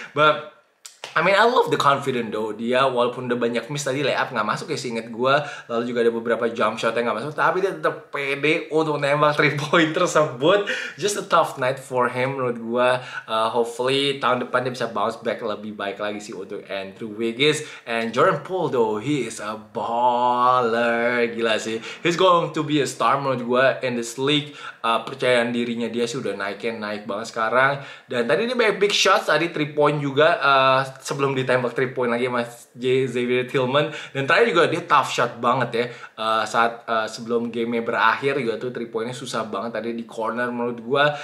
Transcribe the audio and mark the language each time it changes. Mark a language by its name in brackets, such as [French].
[English] But I mean, I love the confidence though. [Indonesian] Dia walaupun udah banyak miss tadi, layup gak masuk ya seinget gue. Lalu juga ada beberapa jump shot yang gak masuk. Tapi dia tetap pede untuk nembak 3-point tersebut. [English] Just a tough night for him [Indonesian] menurut gue. Hopefully tahun depan dia bisa [English] bounce back [Indonesian] lebih baik lagi sih untuk Andrew Wiggins. [English] And Jordan Poole though, he is a baller. [Indonesian] Gila sih. [English] He's going to be a star [Indonesian] menurut gue [English] in this league. [Indonesian] Percayaan dirinya dia sih udah naik banget sekarang. Dan tadi dia banyak big shots, tadi 3-point juga. Sebelum ditembak 3 point lagi sama Xavier Tillman. Dan terakhir juga dia tough shot banget ya. Saat sebelum game-nya berakhir juga tuh 3 point-nya susah banget tadi di corner menurut gue.